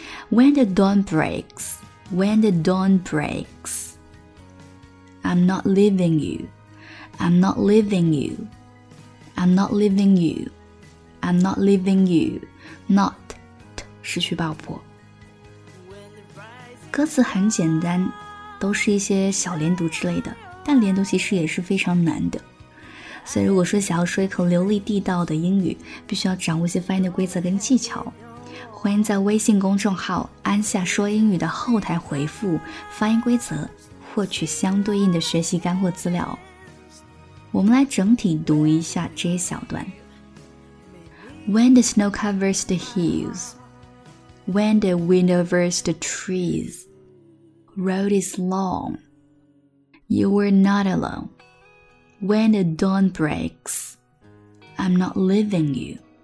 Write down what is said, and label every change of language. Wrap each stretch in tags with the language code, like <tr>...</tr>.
<en>When the dawn breaks, when the dawn breaks, I'm not leaving you, I'm not leaving you, I'm not leaving you, I'm not leaving you, not,</en> <zh>失去爆破。歌词很简单，都是一些小连读之类的。但连读其实也是非常难的，所以如果说想要说一口流利地道的英语，必须要掌握一些发音的规则跟技巧。欢迎在微信公众号安夏说英语的后台回复发音规则，获取相对应的学习干货资料。我们来整体读一下这一小段。</zh> <en>When the snow covers the hills, when the wind overs the trees, road is longYou were not alone. When the dawn breaks, I'm not leaving you.</en>